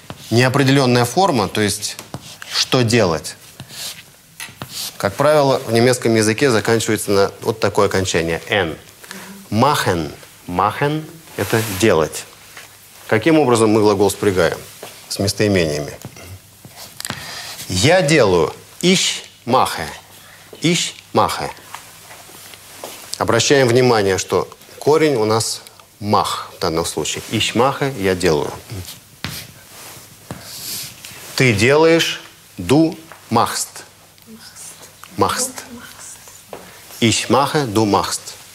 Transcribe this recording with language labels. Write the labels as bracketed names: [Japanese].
[Russian] Неопределенная форма, то есть «что делать», как правило, в немецком языке заканчивается на вот такое окончание «n». [German] «Machen». [Russian] «Machen» – это «делать». Каким образом мы глагол спрягаем с местоимениями? Я делаю [German] «ich mache», «ich mache». [Russian] Обращаем внимание, что корень у нас «mach» в данном случае. [German] «Ich mache» – [Russian] «я делаю». Ты делаешь [German] «du machst». «Machst». «Ich mache» – «du machst».